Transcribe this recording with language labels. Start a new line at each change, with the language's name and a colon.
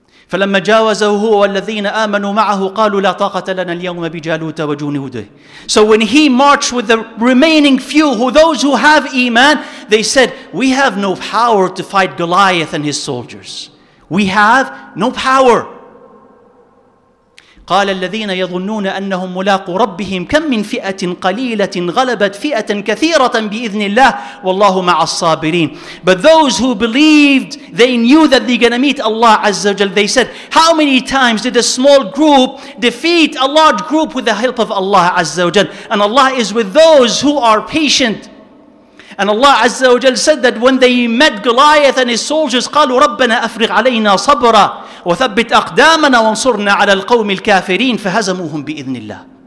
Arabic: فَلَمَّا جَاوَزَهُ هُوَ وَالَّذِينَ آمَنُوا مَعَهُ قَالُوا لَا طَاقَةَ لَنَا الْيَوْمَ بِجَالُوتَ وَجُنُودِهِ.
English: So when he marched with the remaining few, who those who have iman, they said, we have no power to fight Goliath and his soldiers. We have no power.
Arabic: قال الذين يظنون أنهم ملاقو ربهم كم من فئة قليلة غلبت فئة كثيرة بإذن الله والله مع الصابرين.
English: But those who believed, they knew that they're going to meet Allah Azza wa Jal. They said, how many times did a small group defeat a large group with the help of Allah Azza wa Jal? And Allah is with those who are patient. And Allah Azza wa Jal said that when they met Goliath and his soldiers,
Arabic: قالوا ربنا أفرغ علينا صبرا وثبت أقدامنا وانصرنا على القوم الكافرين فهزموهم بإذن الله.